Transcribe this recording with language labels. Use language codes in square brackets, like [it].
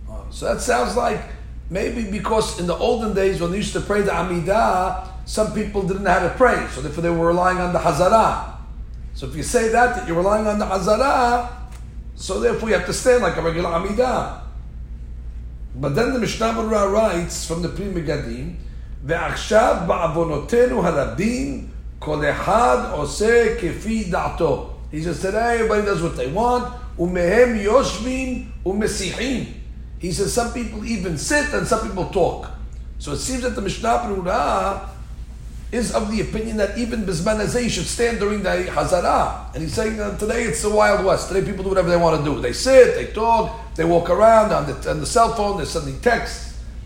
[en] So that sounds like maybe because in the olden days when they used to pray the Amidah, some people didn't know how to pray, so therefore they were relying on the Hazara. So if you say that you're relying on the Hazara, so therefore you have to stand like a regular Amidah. But then the Mishnah Berura writes from the Pri Megadim, [he] ועכשיו בעוונותינו הרבים כל אחד עושה כפי דעתו. [en] He says, today everybody does what they want. [he] ומהם יושבים ומסיחים. [en] He says, some people even sit and some people talk. So it seems that the Mishnah Berura is of the opinion that even Bizman Azay should stand during the Hazara. And he's saying that today it's the Wild West. Today people do whatever they want to do. They sit, they talk, they walk around on the cell phone, they're sending texts.